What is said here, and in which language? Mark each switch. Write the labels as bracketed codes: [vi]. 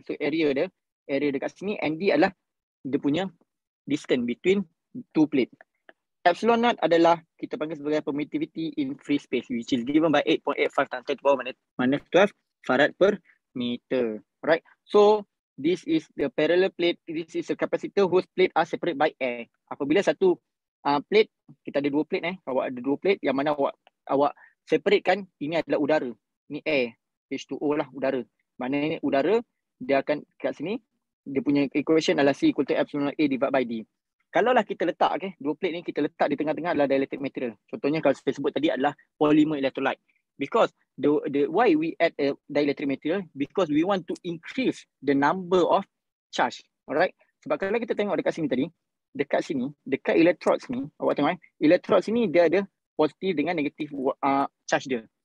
[ms] So area dia, area dekat sini, ND adalah dia punya distance between two plate. [en] Epsilon naught [ms] adalah kita panggil sebagai [en] permittivity in free space, which is given by 8.85 times 10 to the power minus 12 farad per meter. Right? So this is the parallel plate. This is a capacitor whose plate are separated by air. [ms] Apabila satu plate, kita ada dua plate, awak ada dua plate, yang mana awak separate kan, ini adalah udara, ini air, H2O lah udara. Maknanya udara, dia akan kat sini, dia punya equation adalah [en] C equal to epsilon A divided by D. [ms] Kalau lah kita letak, okay, dua plate ni kita letak di tengah-tengah adalah dielectric material. Contohnya kalau saya sebut tadi adalah polymer electrolyte. [en] Because the why we add a dielectric material, because we want to increase the number of charge. [ms] Alright, sebab kalau kita tengok dekat sini tadi, dekat sini, dekat electrodes ni, awak tengok, electrodes ni dia ada positif dengan negatif charge dia.